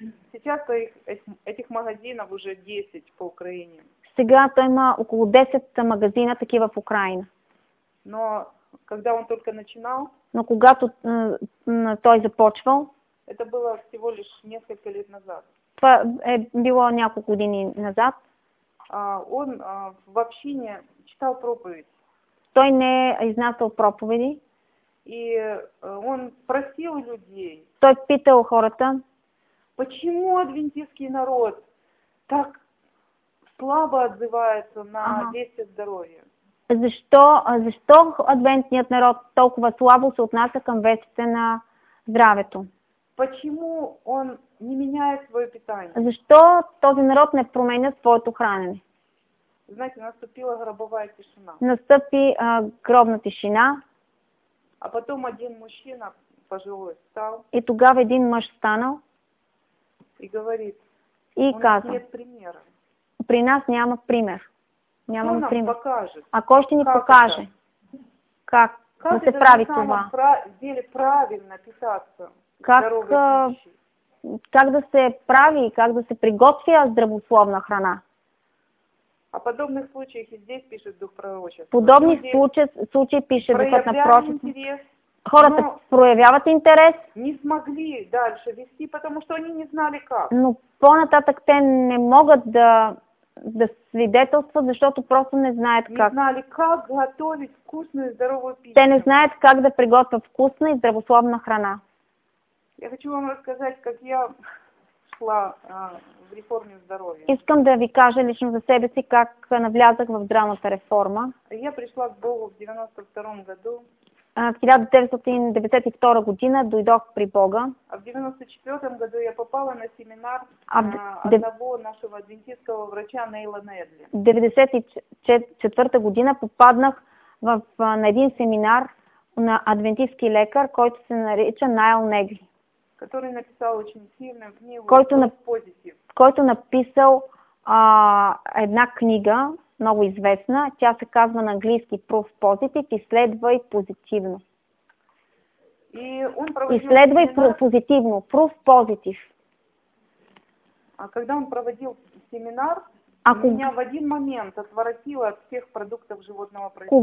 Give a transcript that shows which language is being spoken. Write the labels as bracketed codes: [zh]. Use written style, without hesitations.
[ru] Сейчас этих магазинов уже 10 по Украине. [bg] Сега той има около 10 магазина такива в Украина. [ru] Но когда он только начинал? [bg] Но когато той започвал? [ru] Это было всего лишь несколько лет назад. [bg] Това е било няколко години назад. [ru] Он в общине читал проповедь. [bg] Той не е изнасял проповеди. [ru] И он просил людей. [bg] Той питал хората. [ru] Почему адвентистский народ так слабо отзывается на действие здоровья? [bg] Защо адвентният народ толкова слабо се отнася към вестите на здравето? [ru] Почему он не меняет свое питание? [bg] Защо този народ не променя своето хранене? [ru] Знаете, наступила гробовая тишина. [bg] Настъпи гробна тишина. [ru] А потом один мужчина пожилой стал. [bg] И тогава един мъж станал. [ru] И говорит, [bg] и каза, [ru] нет примера. [bg] При нас няма пример. Няма [ru] кто [bg] пример. [ru] Нам покажет? [bg] А кой ще ни покаже? [ru] Это? [bg] Как да се прави това? [ru] Правильно питаться. [bg] Как да се прави, как да се приготвя здравословна храна? [ru] А подобных случаях и здесь пишет Дух Пророчества. [bg] Подобни случаи пишет Духът на Пророчества. Хората проявяват интерес. [ru] Не смогли дальше вести, потому что они не знали как. [bg] Но по-нататък те не могат да свидетелстват, защото просто не знаят как. [ru] Не знали как готовить вкусную и здоровую пищу. [bg] Те не знаят как да приготвят вкусна и здравословна храна. [ru] Я хочу вам рассказать, как я шла в реформе здоровья. [bg] Искам да ви кажа лично за себе си как навлязах в здравната реформа. [ru] Я пришла к Богу в 92-м году. [bg] В 1992 година дойдох при Бога. [ru] А в 94-м году я попала на семинар одного нашего адвентистского врача Нейла Недли. [bg] В 94-та година попаднах на един семинар на адвентистски лекар, който се нарича Найл Недли. [ru] Который написал очень сильную книгу. [bg] Който написал една книга, много известна. Тя се казва на английски Proof Positive, изследвай позитивно. [ru] И он проводил [bg] изследвай семинар... позитивно, Proof Positive. [ru] А когда он проводил семинар, меня в один момент отворотило от всех продуктов животного производства.